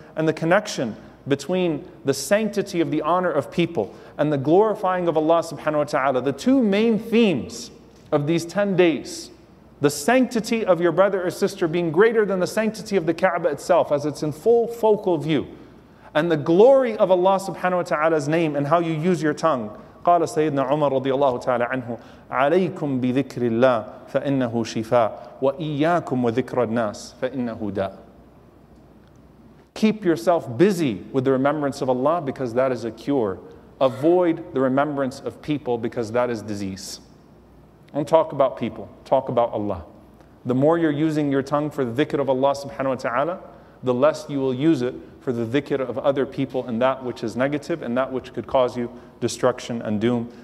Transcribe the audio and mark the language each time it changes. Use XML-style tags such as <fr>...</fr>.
<en>And the connection between the sanctity of the honor of people and the glorifying of Allah subhanahu wa ta'ala, the two main themes of these 10 days, the sanctity of your brother or sister being greater than the sanctity of the Kaaba itself as it's in full focal view, and the glory of Allah subhanahu wa ta'ala's name and how you use your tongue.</en> <ar>قال سيدنا عمر رضي الله تعالى عنه عليكم بذكر الله فإنه شفاء وإياكم وذكر الناس فإنه داء.</ar> <en>Keep yourself busy with the remembrance of Allah because that is a cure. Avoid the remembrance of people because that is disease. Don't talk about people, talk about Allah. The more you're using your tongue for the dhikr of Allah subhanahu wa ta'ala, the less you will use it for the dhikr of other people and that which is negative and that which could cause you destruction and doom.</en>